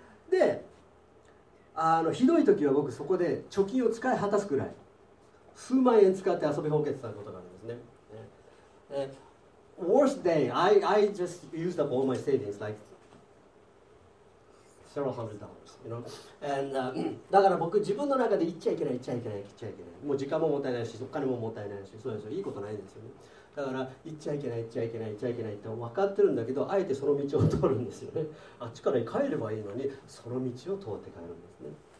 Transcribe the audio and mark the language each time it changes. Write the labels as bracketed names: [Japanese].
[Japanese] で、あのひどい時は僕そこで貯金を使い果たすくらい、数万円使って遊びほうけてたことがあるんですね。 [English] Worst day, I just used up all my savings, like several hundred dollars, you know. And [Japanese] だから僕自分の中で行っちゃいけない。もう時間ももったいないし、お金ももったいないし、そうですよ。いいことないですよね。だから行っちゃいけないって分かってるんだけど、あえてその道を通るんですよね。あっちから帰ればいいのに、その道を通って帰るんですね。